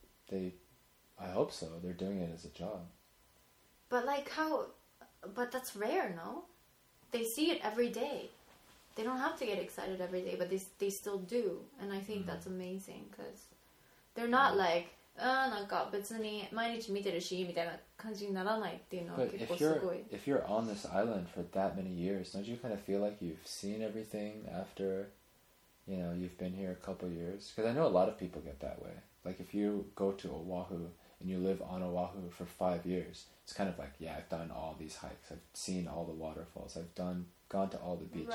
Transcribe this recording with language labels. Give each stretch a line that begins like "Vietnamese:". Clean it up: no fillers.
English: I hope so. They're doing it as a job. But that's rare, no? They see it every day. They don't have to get excited every day, but they still do. And I think that's amazing, because they're not like,
Japanese: なんか別に毎日見てるしみたいな感じにならないっていうのは結構すごい。
English: If you're on this island for that many years, don't you kind of feel like you've seen everything after, you know, you've been here a couple years? Because I know a lot of people get that way. Like if you go to Oahu and you live on Oahu for 5 years, it's kind of like, yeah, I've done all these hikes, I've seen all the waterfalls, I've done gone to all the beaches.